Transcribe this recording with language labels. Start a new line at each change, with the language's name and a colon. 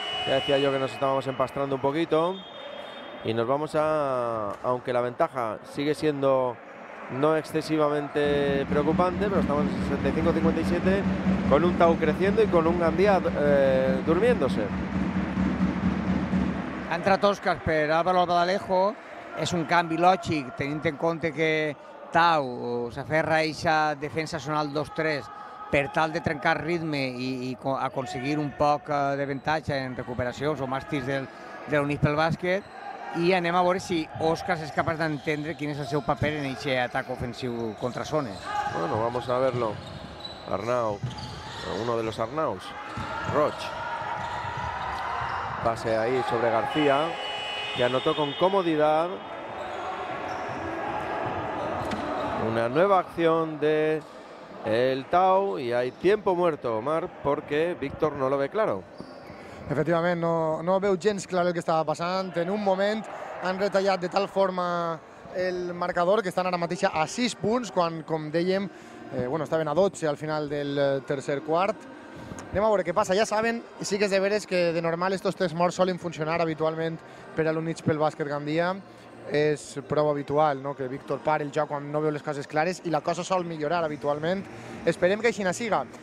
Spanish: Ya decía yo que nos estábamos empastrando un poquito. Y nos vamos a, aunque la ventaja sigue siendo no excesivamente preocupante, pero estamos en 65-57 con un Tau creciendo y con un Gandía durmiéndose. Entra Toscas, pero Álvaro Albadalejo. Es un cambio lógico, teniendo en cuenta que Tau se aferra a esa defensa zonal 2-3.
Catalan: Per tal de trencar ritme i aconseguir un poc de ventatge en recuperacions o màstics de l'Unix pel bàsquet. I anem a veure si Òscar és capaç d'entendre quin és el seu paper en aquest atac ofensiu contra Sones.
Spanish: Bueno, vamos a verlo. Arnau, uno de los Arnaus. Roig. Pase ahí sobre García, que anotó con comodidad. Una nueva acción de el Tau y hay tiempo muerto, Omar, porque Víctor no lo ve claro. Efectivamente, no veo gens claro el que estaba pasando. En un momento han retallado de tal forma el marcador que están ahora mateixa a 6 puntos, cuando, como dèiem,
Catalan: Bueno, estaven a 12 al final del tercer quart. Anem a veure què passa. Ja saben, i sí que és de veres, que de normal estos tres morts solen funcionar habitualment per a l'únic pel bàsquet Gandia. És prou habitual, no?, que Víctor pare el joc quan no veu les coses clares i la cosa sol millorar habitualment. Esperem que aixina siga.